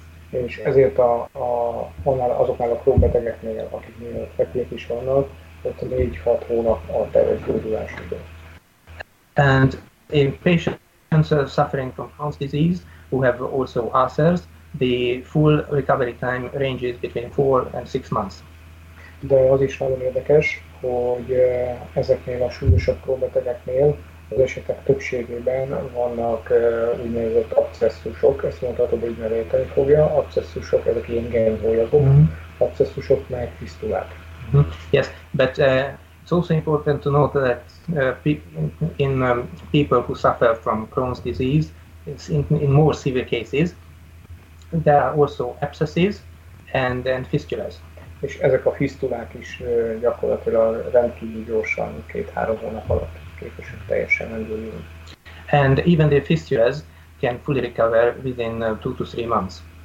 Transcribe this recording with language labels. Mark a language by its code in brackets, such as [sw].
[hu] És ezért azoknál a Crohn betegeknél, akiknél fekélyek is vannak, ott 4-6 hónap a teljes gyógyulás idő. [en] And in patients suffering from Crohn's disease, who have also ulcers, the full recovery time ranges between 4 and 6 months. [hu] De az is nagyon érdekes, hogy ezeknél a súlyosabb Crohn betegeknél az esetek többségében vannak úgynevezett abszesszusok, ezt mondhatod, hogy már érteni fogja, abszesszusok, ezek ilyen genvolyagok, abszesszusok meg fisztulák. [en] Yes, but It's also important to note that people who suffer from Crohn's disease, it's in more severe cases, there are also abscesses and fistulas. [hu] És ezek a fisztulák is gyakorlatilag rendkívül gyorsan, 2-3 hónap alatt képesek teljesen meggyógyulni. [en] And even the fistulas can fully recover within 2-3 months.